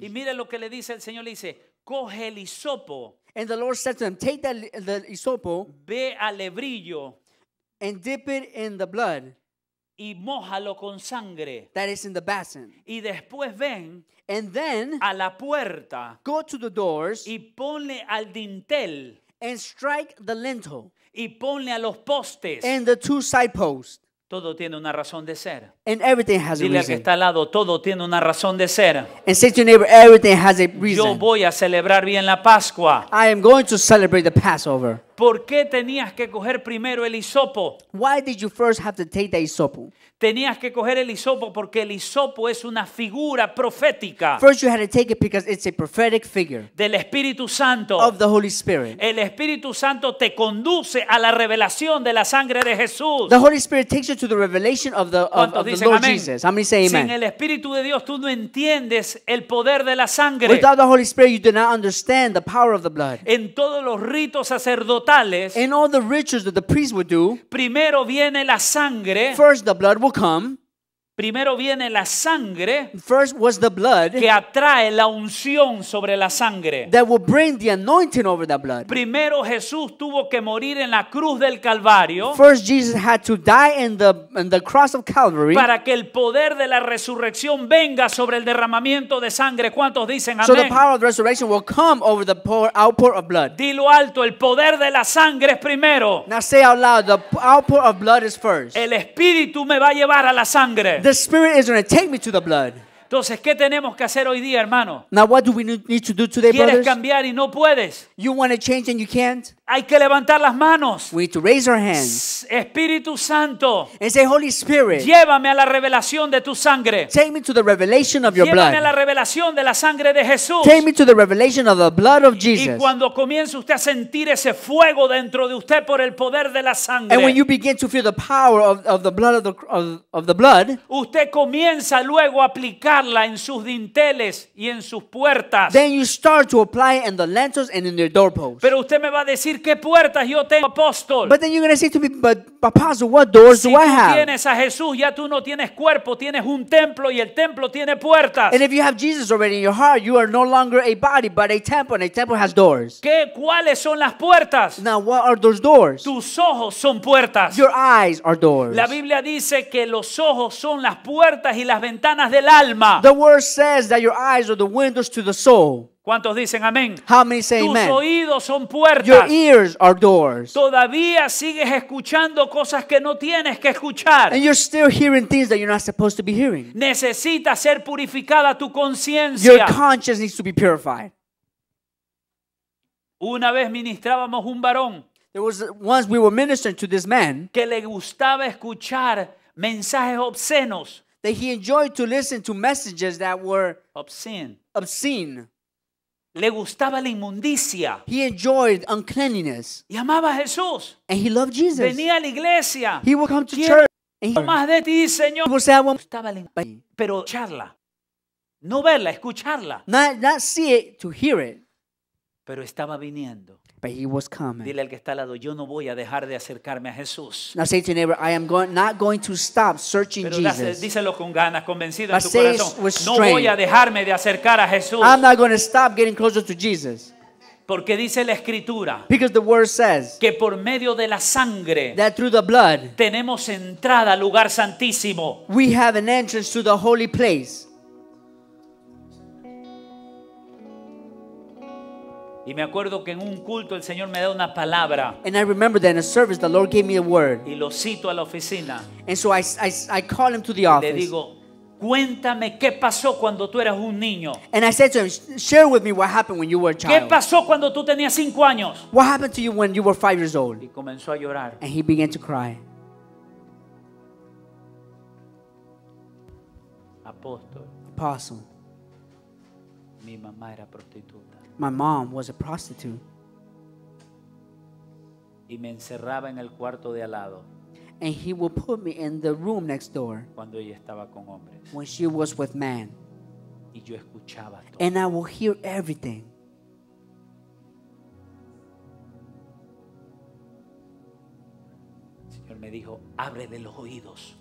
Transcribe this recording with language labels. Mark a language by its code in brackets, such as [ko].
[es] Y mire lo que le dice el Señor, le dice, coge el hisopo. [en] And the Lord said to him, take the hisopo. [es] Ve al lebrillo. [en] And dip it in the blood. [es] Y mójalo con sangre. [en] That is in the basin. [es] Y después ven. [en] And then, [es] a la puerta, [en] go to the doors, [es] y ponle al dintel, [en] and strike the lintel, [es] y ponle a los postes, [en] and the two side posts. [es] Todo tiene una razón de ser. [en] And everything has a reason. [es] Dile al que está al lado, todo tiene una razón de ser. [en] And say to your neighbor, everything has a reason. [es] Yo voy a celebrar bien la Pascua. [en] I am going to celebrate the Passover. [es] ¿Por qué tenías que coger primero el hisopo? [en] Why did you first have to take the hisopo? [es] Tenías que coger el hisopo porque el hisopo es una figura profética. [en] First you had to take it because it's a prophetic figure. [es] Del Espíritu Santo. [en] Of the Holy Spirit. [es] El Espíritu Santo te conduce a la revelación de la sangre de Jesús. [en] The Holy Spirit takes you to the revelation of the Lord Jesus. How many say amen? [es] Sin el Espíritu de Dios tú no entiendes el poder de la sangre. [en] Without the Holy Spirit you do not understand the power of the blood. [es] En todos los ritos sacerdotales. [en] In all the rituals that the priest would do. [es] Primero viene la sangre. [en] First the blood will come. [es] Primero viene la sangre. [en] First was the blood. [es] Que atrae la unción sobre la sangre. [en] That will bring the anointing over the blood. [es] Primero Jesús tuvo que morir en la cruz del Calvario. [en] First Jesus had to die in the cross of Calvary. [es] Para que el poder de la resurrección venga sobre el derramamiento de sangre. ¿Cuántos dicen amén? [en] So the power of resurrection will come over the outpour of blood. [es] Dilo alto, el poder de la sangre es primero. [en] Now say out loud, the outpour of blood is first. [es] El Espíritu me va a llevar a la sangre. [en] The Spirit is going to take me to the blood. [es] Entonces, ¿qué tenemos que hacer hoy día, hermano? [en] Now, what do we need to do today, [es] ¿quieres [en] brothers? [es] Cambiar y no puedes? [en] You want to change and you can't? [es] Hay que levantar las manos. [en] We need to raise our hands. [es] Espíritu Santo. [en] And say, Holy Spirit. [es] Llévame a la revelación de tu sangre. [en] Take me to the revelation of your [es] llévame [en] blood. [es] Llévame a la revelación de la sangre de Jesús. [en] Take me to the revelation of the blood of Jesus. [es] Y cuando comience usted a sentir ese fuego dentro de usted por el poder de la sangre. [en] And when you begin to feel the power of the blood of the blood. [es] Usted comienza luego a aplicarla en sus dinteles y en sus puertas. [en] Then you start to apply it in the lintels and in your doorposts. [es] Pero usted me va a decir qué puertas yo tengo, apóstol. [en] But then you're going to say to me, but apostle, what doors [es] si [en] do I have? [es] Si tienes a Jesús, ya tú no tienes cuerpo, tienes un templo y el templo tiene puertas. [en] And if you have Jesus already in your heart, you are no longer a body but a temple, and a temple has doors. [es] ¿Qué, cuáles son las puertas? [en] Now, what are those doors? [es] Tus ojos son puertas. [en] Your eyes are doors. [es] La Biblia dice que los ojos son las puertas y las ventanas del alma. [en] The word says that your eyes are the windows to the soul. [es] ¿Cuántos dicen amén? [en] How many say [es] tus [en] amen? [es] Oídos son puertas. [en] Your ears are doors. [es] Todavía sigues escuchando cosas que no tienes que escuchar. [en] And you're still hearing things that you're not supposed to be hearing. [es] Necesita ser purificada tu conciencia. [en] Your conscience needs to be purified. [es] Una vez ministrábamos un varón. [en] There was once we were ministering to this man. [es] Que le gustaba escuchar mensajes obscenos. [en] That he enjoyed to listen to messages that were obscene. Obscene. [es] Le gustaba la inmundicia. [en] He enjoyed uncleanliness. [es] Y amaba a Jesús. [en] And he loved Jesus. [es] Venía a la iglesia. [en] He would come to church. [es] Más de ti, Señor. [en] He would say, [es] le gustaba la inmundicia. Pero escucharla. No verla, escucharla. [en] Not see it, to hear it. [es] Pero estaba viniendo. [en] But he was coming. [es] Dile al que está al lado, yo no voy a dejar de acercarme a Jesús. [en] Now say to your neighbor, I am not going to stop searching Jesus. [es] Pero díselo con ganas, convencido [en] but [es] en tu corazón. [en] With strength. [es] No voy a dejarme de acercar a Jesús. [en] I'm not going to stop getting closer to Jesus. [es] Porque dice la Escritura. [en] Because the word says. [es] Que por medio de la sangre. [en] That through the blood. [es] Tenemos entrada al lugar santísimo. [en] We have an entrance to the holy place. [es] Y me acuerdo que en un culto el Señor me da una palabra. [en] And I remember that in a service the Lord gave me a word. [es] Y lo cito a la oficina. [en] And so I call him to the office. [es] Le digo, cuéntame qué pasó cuando tú eras un niño. [en] And I said to him, share with me what happened when you were a child. [es] ¿Qué pasó cuando tú tenías 5 años? [en] What happened to you when you were 5 years old? [es] Y comenzó a llorar. [en] And he began to cry. [es] Apóstol. Mi mamá era prostituta. [en] My mom was a prostitute. [es] Y me encerraba en el cuarto de al lado. [en] And he would put me in the room next door. [es] Cuando ella estaba con hombres. [en] When she was with men. [es] Y yo escuchaba todo. [en] And I would hear everything. [es] El Señor me dijo, ábrele los oídos.